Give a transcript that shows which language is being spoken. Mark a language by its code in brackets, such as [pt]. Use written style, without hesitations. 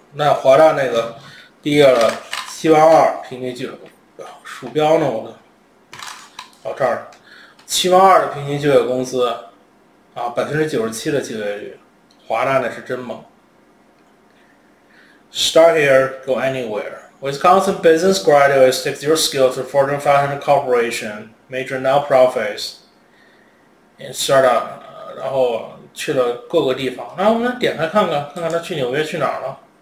[zh] 那华大那个毕业了72000平均就业，鼠标呢我的好、这儿72000的平均就业工资啊，97%的就业率，华大那是真猛。 [en] Start here, go anywhere. Wisconsin business graduates take your skills to Fortune 500 corporation, major nonprofits, and startup. [zh] 然后去了各个地方。那我们点开看看他去纽约去哪儿了。